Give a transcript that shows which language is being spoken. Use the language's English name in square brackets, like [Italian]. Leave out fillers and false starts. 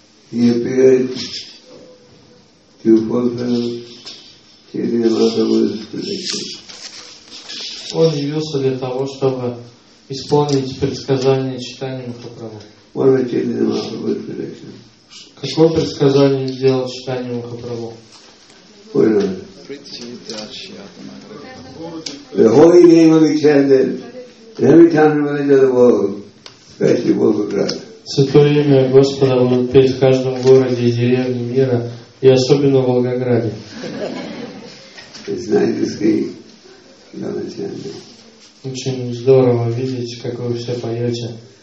[English] He appeared to fulfill Chaitanya Mahaprabhu's prediction. [Russian] Он явился для того, чтобы исполнить предсказание Чайтанья Махапрабху. [English] What was Chaitanya Mahaprabhu's prediction? [Russian] Какое предсказание сделал Чайтанья Махапрабху? [English] The holy name will be chanted in every town and village of the world, especially Volgograd. [Russian] Святое имя Господа будут петь в каждом городе и деревне мира, и особенно в Волгограде. Очень здорово видеть, как вы все поете.